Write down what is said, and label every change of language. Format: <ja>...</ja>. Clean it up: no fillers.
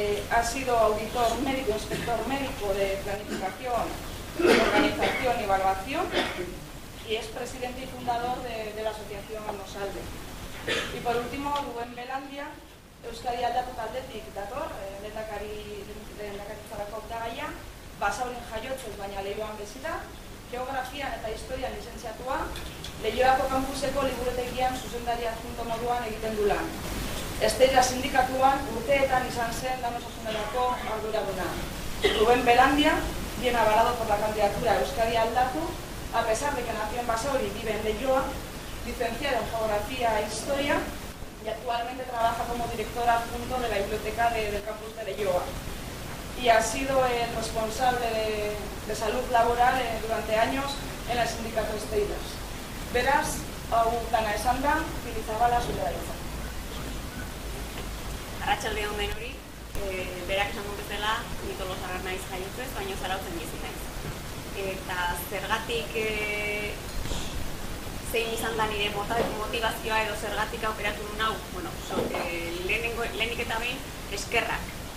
<es>Ha sido auditor médico, inspector médico de planificación, organización y evaluación, y es presidente y fundador de la asociación Almosalde. Y por último,</es> <eu>Rubén Belandia, Euskadi Aldatu Taldetik dator, lehendakari zarako hautagaia, Basaurin jaiotzez baina Leioan bizi da, geografian eta historian lizentziatua, Leioako kampuseko liburutegian zuzendari adjunto moduan egiten du lan. Estela sindikatuan urteetan izan zen danosasunerako arduraduna.</eu> <es>Rubén Belandia viene avalado por la candidatura Euskadi Aldatu, a pesar de que nació en Basauri y vive en Leioa, licenciado en Geografía e Historia, y actualmente trabaja como director adjunto de la biblioteca del campus de Leioa. Y ha sido el responsable de salud laboral durante años en el sindicato Steilers.</es> <eu>Beraz, hau dana esan da, Pili Zabala, zure da hitza. Arratsaldeon denoi. Berak esan bezala, ni Tolosarra naiz jaiotzez, baina Zarautzen bizi naiz. Eta zergatik zein izan da nire motivazioa edo zergatik aukeratu nun hau, bueno, lehenik eta behin eskerrak.</eu>